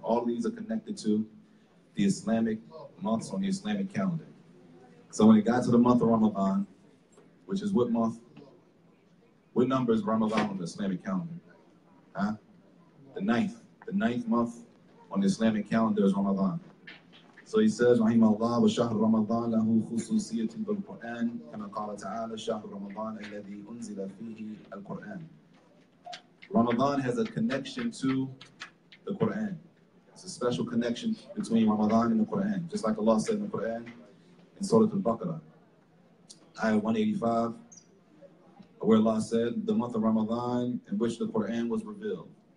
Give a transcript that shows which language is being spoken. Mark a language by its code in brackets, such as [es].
[en] All of these are connected to the Islamic months on the Islamic calendar. So when it got to the month of Ramadan, which is what month? What number is Ramadan on the Islamic calendar? Huh? The ninth. The ninth month on the Islamic calendar is Ramadan. So he says, [ar] رحمه الله وشهر رمضان له خصوصية بالقرآن كما قال تعالى شهر رمضان الذي أنزل فيه القرآن. [en] Ramadan has a connection to the Quran. It's a special connection between Ramadan and the Quran, just like Allah said in the Quran in Surah Al-Baqarah, Ayah 185, where Allah said, the month of Ramadan in which the Quran was revealed.